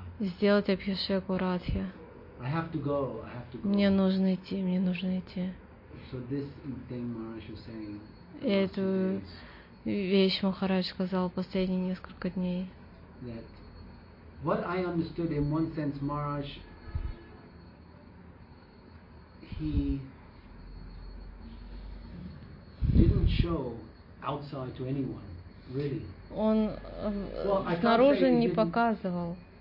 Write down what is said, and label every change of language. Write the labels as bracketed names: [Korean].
[Russian] Сделать Абхишеку Радхе. [English] I have to go. I have to go. [Russian] Мне нужно идти. Мне нужно идти. [English] So this thing Maharaj was saying. [Russian] Эту вещь Махарадж сказал последние несколько дней. [English] That what I understood in one sense, Maharaj, he didn't show outside to anyone. Really. [Russian] Он снаружи не показывал.